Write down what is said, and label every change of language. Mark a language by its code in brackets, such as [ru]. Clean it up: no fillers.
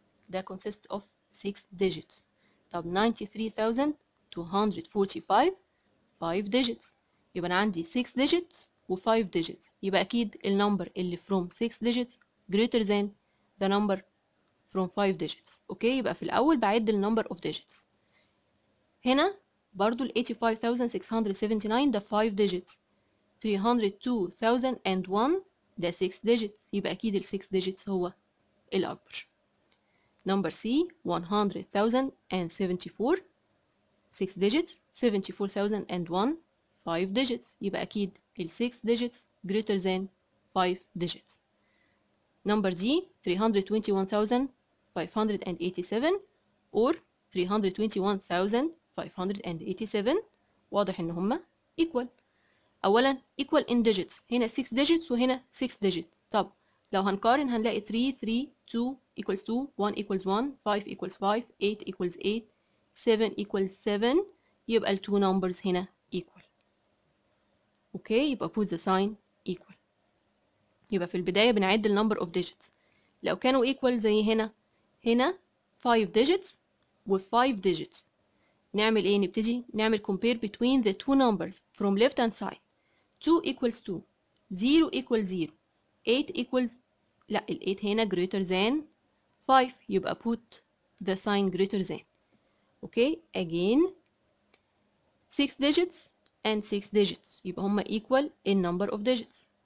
[en] That consists of 6 digits. Top 93,245, 5 digits. [ar] يبقى عندي 6 digits و 5 digits. يبقى أكيد النمبر اللي [en] from 6 digits greater than the number from 5 digits. [ar] أوكي؟ يبقى في الأول بعد النمبر of digits. هنا برضو الـ 85,679 ده 5 digits. [en] 302,001 ده 6 digits. [ar] يبقى أكيد الـ 6 digits هو الأكبر. [en] Number C, 100,074, 6 digits, 74,001, 5 digits. [ar] يبقى أكيد الـ [en] 6 digits greater than 5 digits. Number D, 321,587 or 321,587. [ar] واضح إن هما equal. [en] أولاً equal in digits. [ar] هنا 6 digits وهنا 6 digits. [en] طب لو هنقارن هنلاقي 3, 3, 2 equals 2, 1 equals 1, 5 equals 5, 8 equals 8, 7 equals 7. [ar] يبقى ال 2 numbers هنا equal. [en] Okay, يبقى put the sign equal. [ar] يبقى في البداية بنعد ال number of digits. لو كانوا equal زي هنا, هنا 5 digits و 5 digits. نعمل ايه؟ نبتدي نعمل [en] compare between the two numbers from left hand side. 2 equals 2, 0 equals 0, 8 equals, لا ال 8 هنا greater than 5, يبقى put the sign greater than. Okay, again 6 digits and 6 digits, يبقى هما equal in number of digits.